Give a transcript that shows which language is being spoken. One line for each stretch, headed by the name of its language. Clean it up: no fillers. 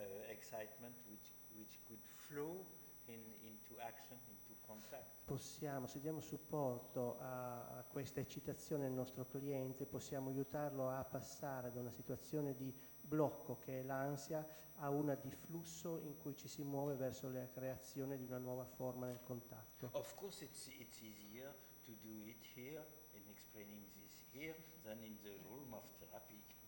English: excitement which could flow into action, into contact.
Italian: Possiamo, se diamo supporto a questa eccitazione del nostro cliente, possiamo aiutarlo a passare da una situazione di blocco, che è l'ansia, a una di flusso in cui ci si muove verso la creazione di una nuova forma nel contatto.
English: Of course it's easier to do it here and explaining this here than in the room of therapy.